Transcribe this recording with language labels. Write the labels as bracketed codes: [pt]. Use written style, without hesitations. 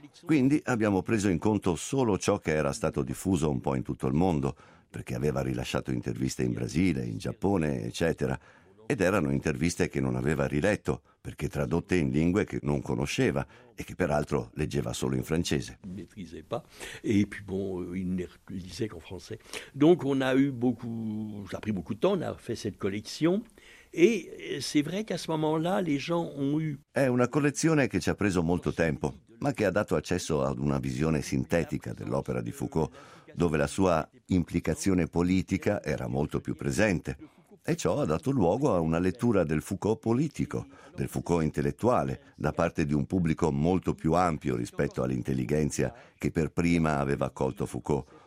[it] Quindi abbiamo preso in conto solo ciò che era stato diffuso un po' in tutto il mondo, perché aveva rilasciato interviste in Brasile, in Giappone, eccetera. Ed erano interviste che non aveva riletto, perché tradotte in lingue che non conosceva e che peraltro leggeva solo in francese. [fr] Maîtrisait pas et puis bon il ne lisait qu'en français. Donc on a eu beaucoup ça a pris beaucoup de temps, on a fait cette collection et c'est vrai qu'à ce moment-là les gens ont eu. [it] È una collezione che ci ha preso molto tempo, ma che ha dato accesso ad una visione sintetica dell'opera di Foucault, dove la sua implicazione politica era molto più presente. E ciò ha dato luogo a una lettura del Foucault politico, del Foucault intellettuale, da parte di un pubblico molto più ampio rispetto all'intelligenza che per prima aveva accolto Foucault.